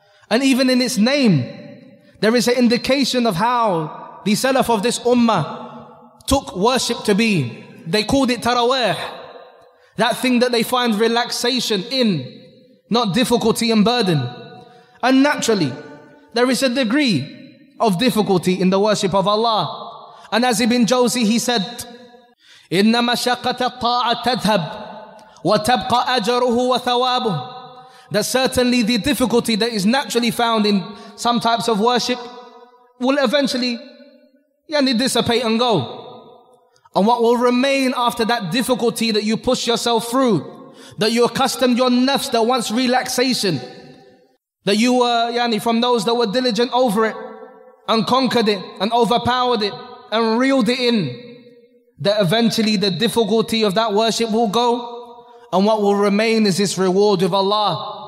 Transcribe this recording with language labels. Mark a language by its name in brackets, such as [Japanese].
[English] And even in its name, there is an indication of how the salaf of this ummah took worship to be. They called it Tarawih, that thing that they find relaxation in, not difficulty and burden. And naturally, there is a degree of difficulty in the worship of Allah. And as Ibn Jawzi, he said, [Arabic] إِنَّ مَشَقَّةَ الطَّاعَةَ تَذْهَبْ وَتَبْقَى أَجَرُهُ وَثَوَابُهُ. [English] That certainly the difficulty that is naturally found in some types of worship will eventually dissipate and go. And what will remain after that difficulty that you push yourself through, that you accustomed your nafs, that wants relaxation, that you were from those that were diligent over it and conquered it and overpowered it and reeled it in, that eventually the difficulty of that worship will go, and what will remain is this reward of Allah.